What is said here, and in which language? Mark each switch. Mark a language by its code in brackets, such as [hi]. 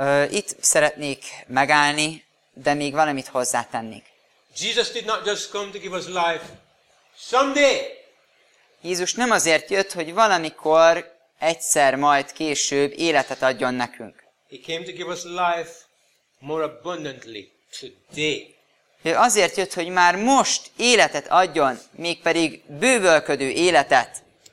[hu] itt szeretnék megállni, de még valamit hozzátennék. [en] Jesus did not just come to give us life someday. [hu] Jézus nem azért jött, hogy valamikor egyszer majd később életet adjon nekünk. [en] He came to give us life more abundantly today. [hu] Ő azért jött, hogy már most életet adjon, mégpedig bővölködő életet.